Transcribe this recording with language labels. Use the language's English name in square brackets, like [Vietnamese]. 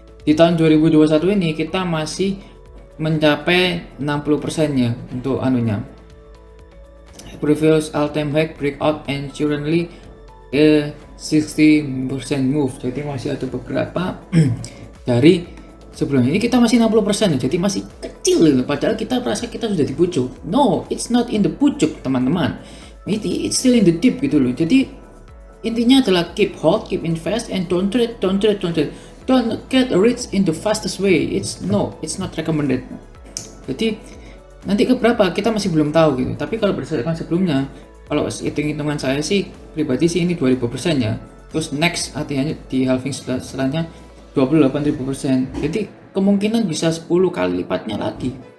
[Indonesian] Di tahun 2021 ini kita masih mencapai 60%-nya untuk anunya. [English] Previous all-time high breakout and currently 60% move. [Indonesian] Jadi masih ada beberapa dari sebelumnya. Ini kita masih 60%, jadi masih kecil, padahal kita merasa kita sudah di pucuk. [English] No, it's not in the pucuk, [Indonesian] teman-teman. [English] It's still in the deep [Indonesian] gitu loh. Jadi intinya adalah [English] keep hold, keep invest, and don't trade, don't trade, don't trade. Don't get rich in the fastest way. It's not recommended. [Indonesian] Jadi nanti ke berapa kita masih belum tahu gitu. Tapi kalau berdasarkan sebelumnya, kalau hitung-hitungan saya sih pribadi sih ini 2000% ya. Terus next artinya di halving selanjutnya 28.000%. Jadi kemungkinan bisa 10 kali lipatnya lagi.